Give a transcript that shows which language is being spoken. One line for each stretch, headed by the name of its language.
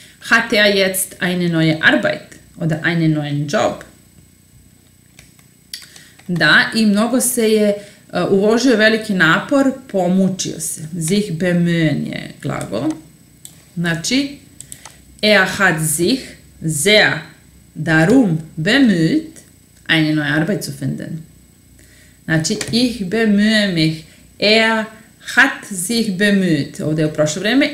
German: hat er jetzt eine neue Arbeit oder einen neuen Job?
Serbian: Da, i mnogo se je uložio veliki napor, pomučio se. Sich bemühen je glagol.
German: Znači, er hat sich sehr darum bemüht, eine neue Arbeit zu finden.
Serbian: Znači,
German: ich bemühe mich. Er hat sich bemüht.
Serbian: Ovdje je u prošlo vreme.